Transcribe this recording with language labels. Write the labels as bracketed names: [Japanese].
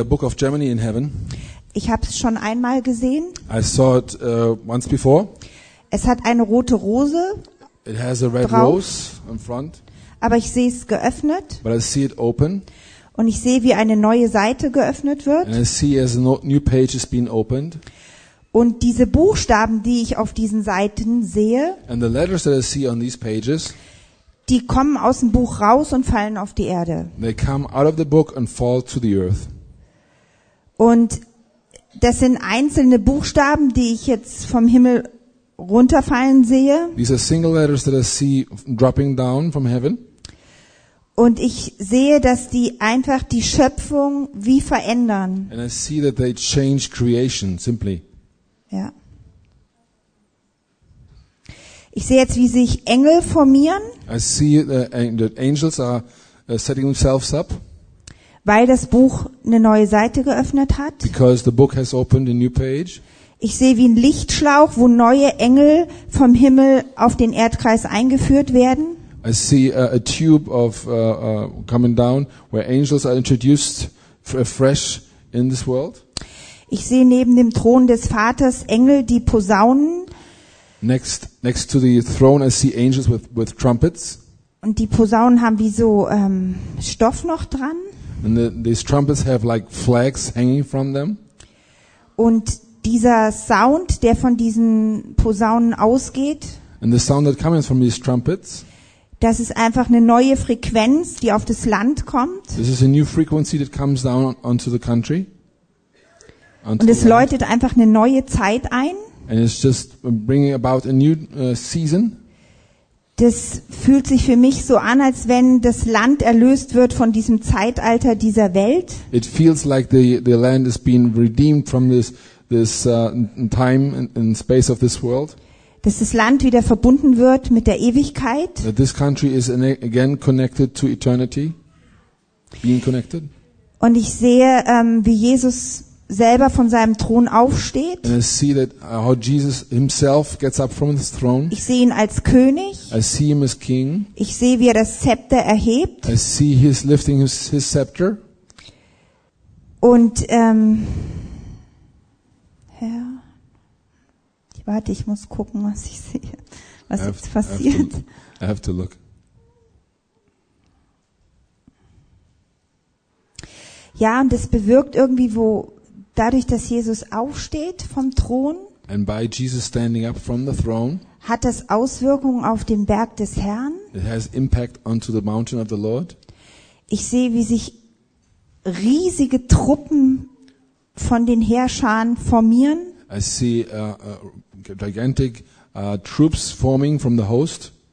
[English] the book of Germany in heaven. [German] Ich habe es schon einmal gesehen. [English] I saw it once before. [German] Es hat eine rote Rose. [English] It has a red rose in front. [German] Aber ich sehe es geöffnet. [English] But I see it open. [German] Und ich sehe, wie eine neue Seite geöffnet wird. [English] And I see as a new page is being opened. [German] Und diese Buchstaben, die ich auf diesen Seiten sehe, [English] and the letters that I see on these pages, [German] die kommen aus dem Buch raus und fallen auf die Erde. [English] They come out of the book and fall to the earth. [German] Und das sind einzelne Buchstaben, die ich jetzt vom Himmel runterfallen sehe. [English] These are single letters that I see dropping down from heaven. [German] Und ich sehe, dass die einfach die Schöpfung wie verändern. [English] And I see that they change creation simply. [German] Ja. Ich sehe jetzt, wie sich Engel formieren. [English] I see that angels are setting themselves up. [German] Weil das Buch eine neue Seite geöffnet hat. [English] Because the book has opened a new page. [German] Ich sehe wie ein Lichtschlauch, wo neue Engel vom Himmel auf den Erdkreis eingeführt werden. [English] I see a tube of coming down where angels are introduced fresh in this world. [German] Ich sehe neben dem Thron des Vaters Engel, die Posaunen. [English] Next to the throne I see angels with trumpets. [German] Und die Posaunen haben wie so Stoff noch dran. [English] And these trumpets have like flags hanging from them. [German] Und dieser Sound, der von diesen Posaunen ausgeht. [English] And the sound that comes from these trumpets. [German] Das ist einfach eine neue Frequenz, die auf das Land kommt. [English] This is a new frequency that comes down onto the country. [German] Onto und es läutet einfach eine neue Zeit ein. [English] And it's just bringing about a new season. [German] Das fühlt sich für mich so an, als wenn das Land erlöst wird von diesem Zeitalter dieser Welt. [English] It feels like the land is being redeemed from this time and space of this world. [German] Dass das Land wieder verbunden wird mit der Ewigkeit. [English] That this country is again connected to eternity. Being connected. [German] Und ich sehe, wie Jesus selber von seinem Thron aufsteht. [English] And I see that how Jesus himself gets up from his throne. [German] Ich sehe ihn als König. [English] I see him as king. [German] Ich sehe, wie er das Zepter erhebt. [English] I see he's lifting his scepter. [German] Und ja. Warte, ich muss gucken, was ich sehe. Was jetzt passiert. [English] I have to look. [German] Ja, und das bewirkt irgendwie, wo dadurch, dass Jesus aufsteht vom Thron, [English] and by Jesus standing up from the throne, [German] hat das Auswirkungen auf den Berg des Herrn. [English] It has impact onto the mountain of the Lord. [German] Ich sehe, wie sich riesige Truppen von den Heerscharen formieren. [English] I see gigantic troops forming from the host.